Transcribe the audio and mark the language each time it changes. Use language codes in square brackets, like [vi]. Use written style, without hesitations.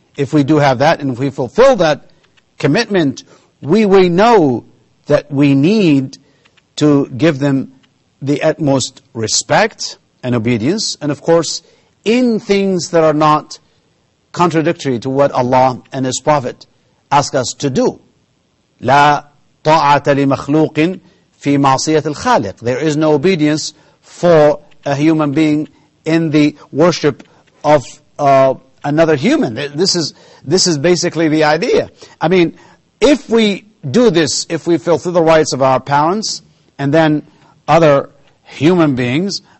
[en] If we do have that and if we fulfill that commitment, we know that we need to give them the utmost respect and obedience. And of course, in things that are not contradictory to what Allah and His Prophet ask us to do. [ar] لا طاعة لمخلوق في معصية الخالق. [en] There is no obedience for a human being in the worship of another human. This is basically the idea. I mean, if we do this if we fulfill the rights of our parents and then other human beings.